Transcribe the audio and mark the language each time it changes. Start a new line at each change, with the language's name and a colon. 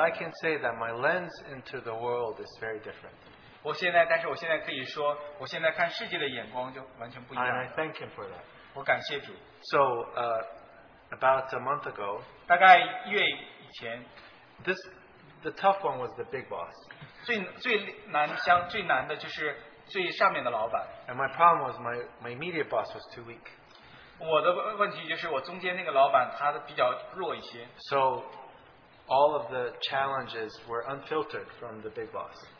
English: But I can say that my lens into the world is very different.
Chinese: 但是我现在可以说我现在看世界的眼光就完全不一样。
English: And I thank Him for that.
Chinese: 我感谢主。
English: So about a month ago,
Chinese: 大概一月以前,
English: the tough one was the big boss.
Chinese: 最难的就是
English: And my problem was my immediate boss was too weak.
Chinese: 我的问题就是我中间那个老板他的比较弱一些。
English: So all of the challenges were unfiltered from the big boss.